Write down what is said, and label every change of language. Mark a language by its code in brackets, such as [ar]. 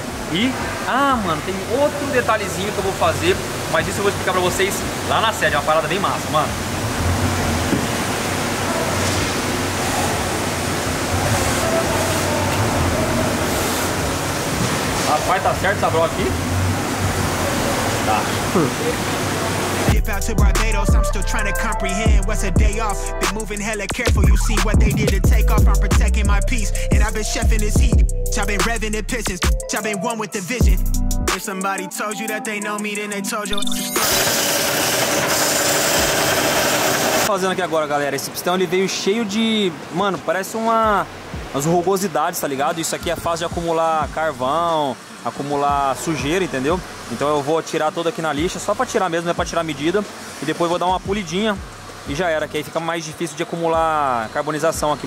[pt] E, mano, tem outro detalhezinho que eu vou fazer, mas isso eu vou explicar pra vocês lá na sede, é uma parada bem massa, mano. Rapaz, tá certo essa bro aqui? Tá. [en] Out to Barbados, I'm still trying to comprehend what's a day off. Been moving hella careful, you see what they did to take off. I'm protecting my peace, and I've been chefing this heat. I've been revving the pistons, I've been one with the vision. If somebody told you that they know me, then they told you. [pt] Fazendo aqui agora, galera, esse pistão ele veio cheio de, mano, parece umas rugosidades, tá ligado? Isso aqui é fácil de acumular carvão, acumular sujeira, entendeu? Então eu vou tirar tudo aqui na lixa, só pra tirar mesmo, é pra tirar a medida, e depois vou dar uma polidinha e já era, que aí fica mais difícil de acumular carbonização aqui.